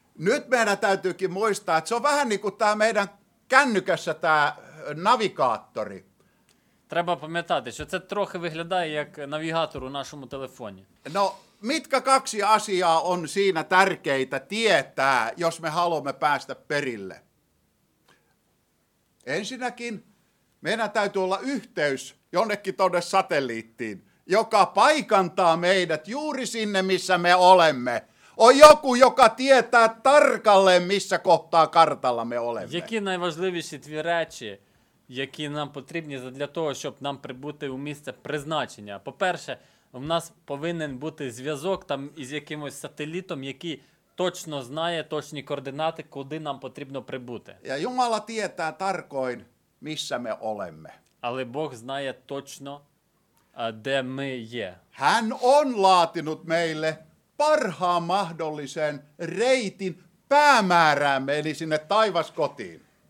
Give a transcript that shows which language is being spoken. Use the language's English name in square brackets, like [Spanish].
[Finnish] Nyt meidän täytyykin muistaa, että se on vähän niin kuin tämä meidän kännykässä tämä navigaattori. [Ukrainian] Треба пам'ятати, що це трохи виглядає як навігатор у нашому телефоні. [Finnish] No, mitkä kaksi asiaa on siinä tärkeitä tietää, jos me haluamme päästä perille? Ensinnäkin meidän täytyy olla yhteys jonnekin tuonne satelliittiin, joka paikantaa meidät juuri sinne, missä me olemme. On joku, joka tietää tarkalleen, missä kohtaa kartalla me olemme. [Ukrainian] Які найважливіші дві речі, які нам потрібні для того, щоб нам прибути у місце призначення? По-перше, у нас повинен бути зв'язок там із якимось сателітом, який точно знає точні координати, куди нам потрібно прибути. [Finnish] Ja Jumala tietää tarkoin, missä me olemme. [Ukrainian] Але Бог знає точно, де ми є. [Finnish] Hän on laatinut meille parhaan mahdollisen reitin päämääräämme, eli sinne taivaskotiin.